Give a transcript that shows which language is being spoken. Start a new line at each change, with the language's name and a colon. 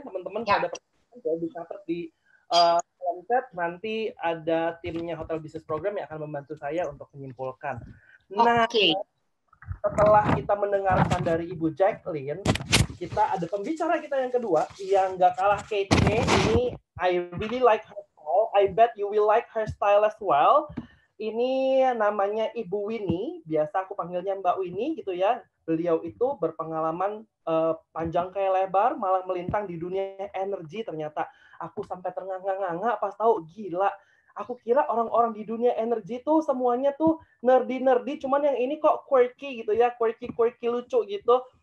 Indonesian: Teman-teman, kalau ada pertanyaan, saya bisa catat di chat. Nanti ada timnya Hotel Business Program yang akan membantu saya untuk menyimpulkan. Nah, okay. Setelah kita mendengarkan dari Ibu Jacqueline, kita ada pembicara kita yang kedua, yang gak kalah kece.
English: Ini, I really like her style. I bet you will like her style as well.
Indonesian: Ini namanya Ibu Winnie, biasa aku panggilnya Mbak Winnie gitu ya. Beliau itu berpengalaman panjang kayak lebar, malah melintang di dunia energi ternyata. Aku sampai ternganga-nganga pas tahu, gila. Aku kira orang-orang di dunia energi tuh semuanya tuh nerdy-nerdy, cuman yang ini kok quirky gitu ya, quirky-quirky lucu gitu.